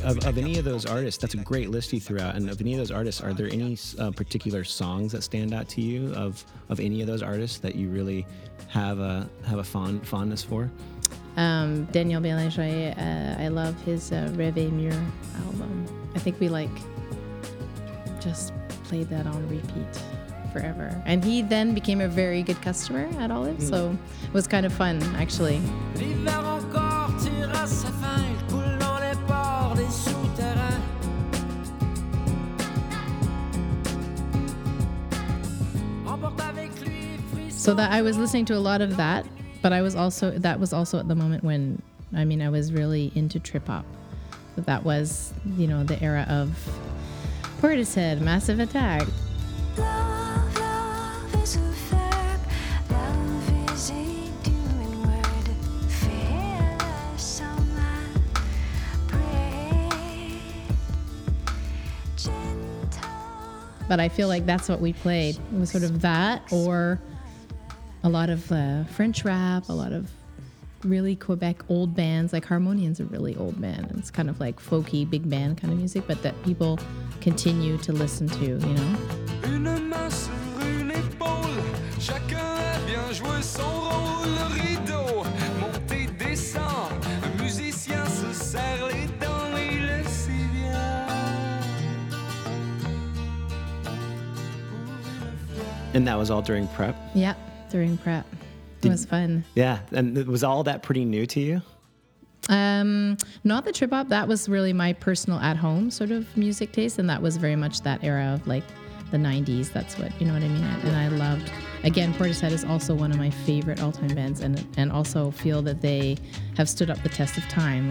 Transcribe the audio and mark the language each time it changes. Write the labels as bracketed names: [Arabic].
[English] Of any of those artists, that's a great list you threw out. And of any of those artists, are there any particular songs that stand out to you of any of those artists that you really have a fondness for? Daniel Bélanger, I love his Rêve Mur album. I think we just played that on repeat forever. And he then became a very good customer at Olive, so it was kind of fun, actually. [French] L'hiver encore tire à sa fin, il coule dans les ports des souterrains. Emporte avec lui. [English] So that I was listening to a lot of that, but I was also, that was also at the moment when, I mean, I was really into trip hop. That was, you know, the era of Portishead, Massive Attack. But I feel like that's what we played. It was sort of that or a lot of French rap, a lot of really Quebec old bands. Like Harmonium's a really old band. It's kind of like folky big band kind of music, but that people continue to listen to, you know? [French] Une main sur une épaule, chacun a bien joué son rôle. Rideau, montée, descend, un musicien se serre les dents, il le sait bien. [English] And that was all during prep? Yeah, during prep. It was fun. Yeah, and was all that pretty new to you? Not the trip hop. That was really my personal at home sort of music taste, and that was very much that era of like the 90s. That's what, you know what I mean? And I loved, again, Portishead is also one of my favorite all time bands, and also feel that they have stood up the test of time.